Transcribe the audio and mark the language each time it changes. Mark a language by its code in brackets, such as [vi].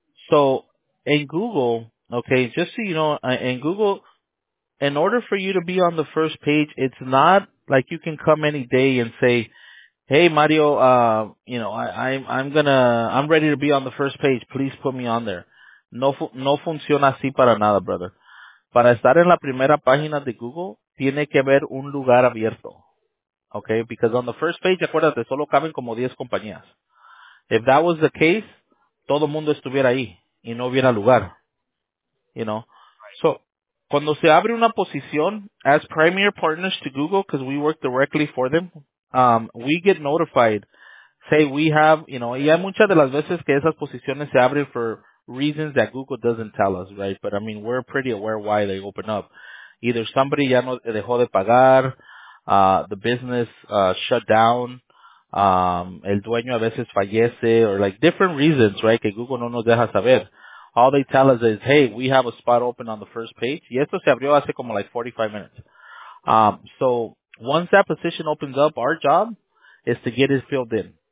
[en] So in Google. Okay, just so you know, in Google, in order for you to be on the first page, it's not like you can come any day and say, hey, Mario, you know, I'm ready to be on the first page. Please put me on there. [es] No funciona así para nada, [en] brother. [es] Para estar en la primera página de Google, tiene que haber un lugar abierto. [en] Okay, because on the first page, [es] acuérdate, solo caben como 10 compañías. [en] If that was the case, [es] todo mundo estuviera ahí y no hubiera lugar. [en] You know, so [es] cuando se abre una posición [en] as premier partners to Google, because we work directly for them, we get notified. Say we have, you know, [es] y hay muchas de las veces que esas posiciones se abren [en] for reasons that Google doesn't tell us, right? But I mean, we're pretty aware why they open up. Either somebody [es] ya no dejó de pagar, [en] the business shut down, [es] el dueño a veces fallece, [en] or like different reasons, right? [es] Que Google no nos deja saber. [en] All they tell us is, hey, we have a spot open on the first page. [es] Y esto se abrió hace como [en] like 45 minutes. So once that position opens up, our job is to get it filled in.